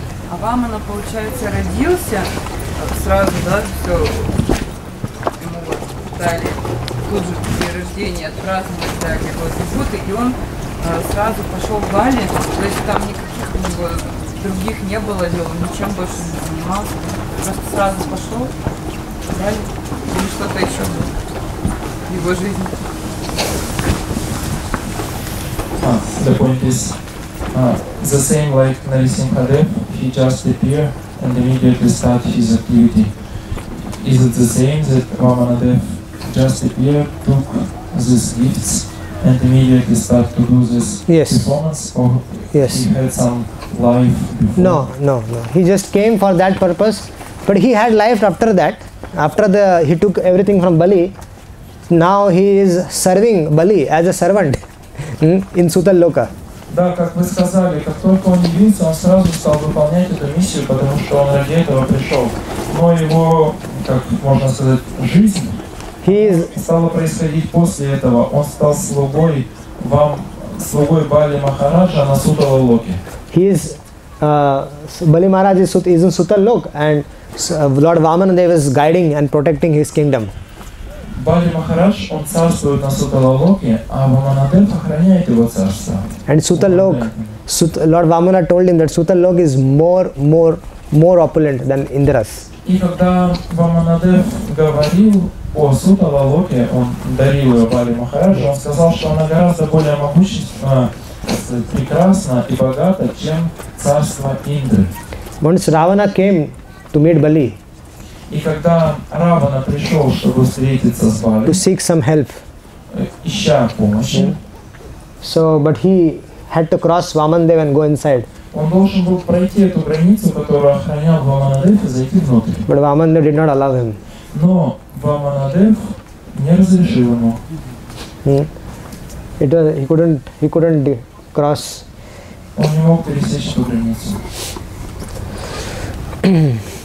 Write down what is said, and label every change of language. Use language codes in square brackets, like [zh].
[ru] А вам она, получается, родился, сразу, да, все, ему дали, тут же при рождении отпраздновать, дали его атрибуты, и он сразу пошел в Бали, то есть там никаких у него других не было, он ничем больше не занимался, просто сразу пошел, дали, или что-то еще было в его жизни. [en] The point is, the same like Narisimhadev, he just appeared and immediately started his activity. Is it the same that Ramanadev just appeared, took these gifts and immediately started to do this performance? Or he had some life before? No. He just came for that purpose, but he had life after that. After the he took everything from Bali, now he is serving Bali as a servant. In Sutta Loka. [ru] Да, как вы сказали, как только он явился, он сразу стал выполнять эту миссию, потому что он ради этого пришел. Но его, как можно сказать, жизнь стала происходить после этого. Он стал слугой вам, слугой Бали Махараджа на Сутта Локе. [en] He is Бали Махараджа is in Sutta Loka, and Lord Vamanadeva is guiding and protecting his kingdom. [ru] Бали Махарадж, он царствует на Сутталоке, а Ваманадев охраняет его царство. [en] And Сутталок, Lord Vamana told him that Сутталок is more opulent than Indras. [ru] И когда Ваманадев говорил о Сутталоке, он дарил его Бали Махараджу, он сказал, что она гораздо более могущественна, прекрасна и богата, чем царство Индры. [en] Once Ravana came to meet Bali. [ru] И когда Равана пришел, чтобы встретиться с Бали, [en] to seek some help, [ru] ища помощи, [en] so, but he had to cross Vamandev and go inside. [ru] Он должен был пройти эту границу, которую охранял Ваманадев, и зайти внутрь. [en] But Vamandev did not allow him. [ru] Но Ваманадев не разрешил ему. [en] It was, he couldn't cross. [ru] Он не мог пересечь эту границу.